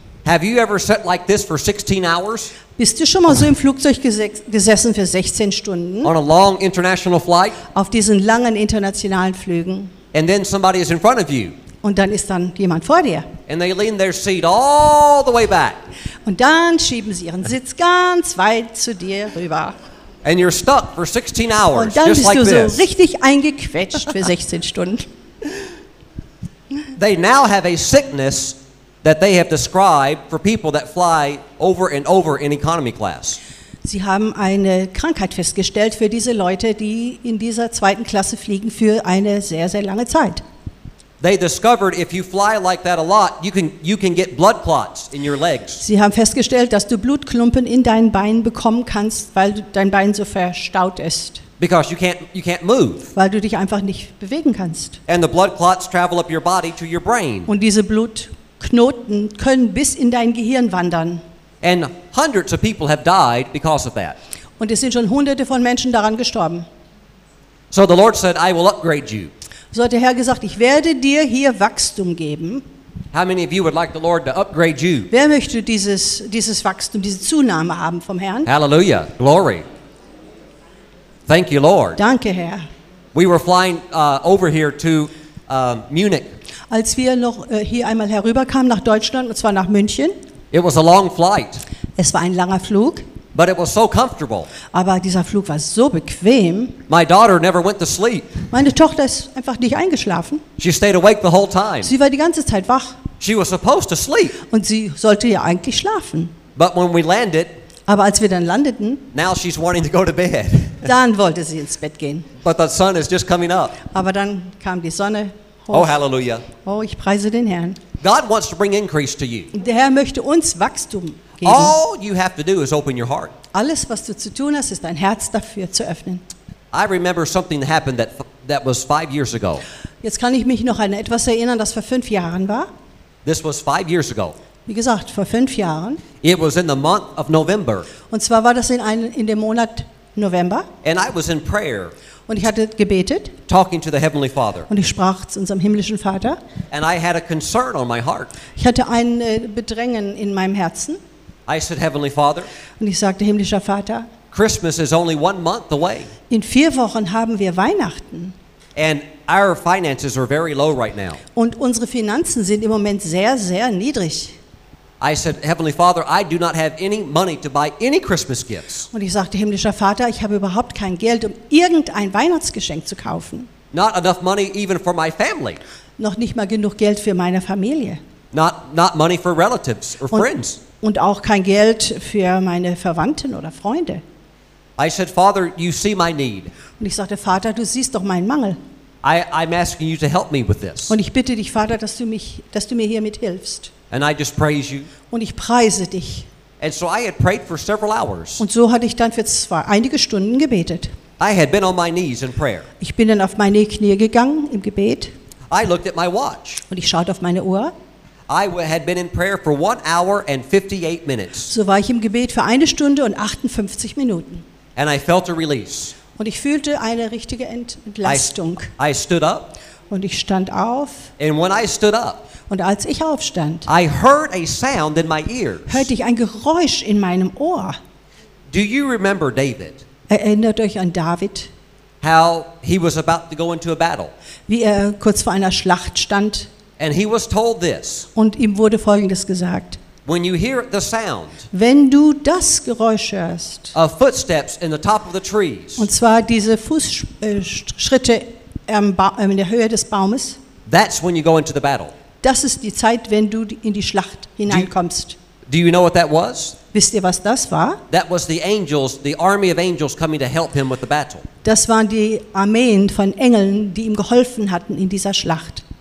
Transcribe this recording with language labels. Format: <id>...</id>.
<en>Have you ever sat like this for 16 hours?</en> <de>Bist du schon mal so im Flugzeug gesessen für 16 Stunden?</de> <en>On a long international flight?</en> <de>Auf diesen langen internationalen Flügen?</de> <en>And then somebody is in front of you.</en> <de>Und dann ist dann jemand vor dir.</de> <en>And they lean their seat all the way back.</en> <de>Und dann schieben sie ihren Sitz ganz weit zu dir rüber.</de> <en>And you're stuck for 16 hours.</en> <de>Und dann</de> <en>just</en> <de>bist</de> <en>like this.</en> <de>So richtig eingequetscht für 16 Stunden.</de> <en>They now have a sickness that they have described for people that fly over and over in economy class.</en> <de>Sie haben eine Krankheit festgestellt für diese Leute, die in dieser zweiten Klasse fliegen für eine sehr, sehr lange Zeit.</de> <en>They discovered if you fly like that a lot, you can get blood clots in your legs.</en> <de>Sie haben festgestellt, dass du Blutklumpen in deinen Beinen bekommen kannst, weil dein Bein so verstaut ist.</de> <en>Because you can't move.</en> <de>Weil du dich einfach nicht bewegen kannst.</de> <en>And the blood clots travel up your body to your brain.</en> <de>Und diese Blutknoten können bis in dein Gehirn wandern.</de> <en>And hundreds of people have died because of that.</en> <de>Und es sind schon hunderte von Menschen daran gestorben.</de> <en>So the Lord said, I will upgrade you.</en> <de>So hat der Herr gesagt, ich werde dir hier Wachstum geben.</de> <en>How many of you would like the Lord to upgrade you?</en> <de>Wer möchte dieses Wachstum, diese Zunahme haben vom Herrn?</de> <en>Hallelujah, glory. Thank you, Lord.</en> <de>Danke, Herr.</de> <en>We were flying over here to Munich.</en> <de>Als wir noch hier einmal herüberkamen nach Deutschland, und zwar nach München.</de> <en>It was a long flight.</en> <de>Es war ein langer Flug.</de> <en>But it was so comfortable.</en> <de>Aber dieser Flug war so bequem.</de> <en>My daughter never went to sleep.</en> <de>Meine Tochter ist einfach nicht eingeschlafen.</de> <en>She stayed awake the whole time.</en> <de>Sie war die ganze Zeit wach.</de> <en>She was supposed to sleep.</en> <de>Und sie sollte ja eigentlich schlafen.</de> <en>But when we landed,</en> <de>aber als wir dann landeten,</de> <en>now she's wanting to go to bed.</en> <de>Dann wollte sie ins Bett gehen.</de> <en>But the sun is just coming up.</en> <de>Aber dann kam die Sonne hoch.</de> <en>Oh, hallelujah.</en> <de>Oh, ich preise den Herrn.</de> <en>God wants to bring increase to you.</en> <de>Der Herr möchte uns Wachstum geben.</de> <en>All you have to do is open your heart.</en> <de>Alles, was du zu tun hast, ist dein Herz dafür zu öffnen.</de> <en>I remember something that happened that was 5 years ago.</en> <de>Jetzt kann ich mich noch an etwas erinnern, das vor 5 Jahren war.</de> <en>This was 5 years ago.</en> <de>Wie gesagt, vor 5 Jahren.</de> <en>It was in the month of November.</en> <de>Und zwar war das in dem Monat November.</de> <en>And I was in prayer.</en> <de>Und ich hatte gebetet.</de> <en>Talking to the Heavenly Father.</en> <de>Und ich sprach zu unserem himmlischen Vater.</de> <en>And I had a concern on my heart.</en> <de>Ich hatte ein Bedrängen in meinem Herzen.</de> <en>I said, Heavenly Father,</en> <de>und ich sagte, himmlischer Vater,</de> <en>Christmas is only 1 month away.</en> <de>In 4 Wochen haben wir Weihnachten.</de> <en>And our finances are very low right now.</en> <de>Und unsere Finanzen sind im Moment sehr, sehr niedrig.</de> <en>I said, Heavenly Father, I do not have any money to buy any Christmas gifts.</en> <de>Und ich sagte, himmlischer Vater, ich habe überhaupt kein Geld, um irgendein Weihnachtsgeschenk zu kaufen.</de> <en>Not enough money even for my family.</en> <de>Noch nicht mal genug Geld für meine Familie.</de> <en>Not money for relatives or friends.</en> <de>Und auch kein Geld für meine Verwandten oder Freunde.</de> <en>I said, Father, you see my need.</en> <de>Und ich sagte, Vater, du siehst doch meinen Mangel.</de> <en>I'm asking you to help me with this.</en> <de>Und ich bitte dich, Vater, dass du mir hiermit hilfst.</de> <en>And I just praise you.</en> <de>Und ich preise dich.</de> <en>And so I had prayed for several hours.</en> <de>Und so hatte ich dann für einige Stunden gebetet.</de> <en>I had been on my knees in prayer.</en> <de>Ich bin dann auf meine Knie gegangen im Gebet.</de> <en>I looked at my watch.</en> <de>Und ich schaute auf meine Uhr.</de> <en>I had been in prayer for 1 hour and 58 minutes.</en> <de>So war ich im Gebet für 1 Stunde und 58 Minuten.</de> <en>And I felt a release.</en> <de>Und ich fühlte eine richtige Entlastung.</de> <en>I stood up.</en> <de>Und ich stand auf.</de> <en>And when I stood up,</en> <de>und als ich aufstand,</de> <en>I heard a sound in my ears.</en> <de>Hörte ich ein Geräusch in meinem Ohr.</de> <en>Do you remember David?</en> <de>Erinnert euch an David?</de> <en>How he was about to go into a battle.</en> <de>Wie er kurz vor einer Schlacht stand.</de> <en>And he was told this.</en> <de>Und ihm wurde Folgendes gesagt.</de> <en>When you hear the sound,</en> <de>wenn du das Geräusch hörst,</de> <en>of footsteps in the top of the trees,</en> <de>und zwar diese Fußschritte in der Höhe des Baumes,</de> <en>that's when you go into the battle.</en> <de>Das ist die Zeit, wenn du in die Schlacht hineinkommst.</de> <en>Do you know what that was?</en> <de>Wisst ihr, was das war?</de> <en>That was the angels, the army of angels coming to help him with the battle.</en> <de>Das waren die Armeen von Engeln, die ihm geholfen hatten in dieser Schlacht.</de>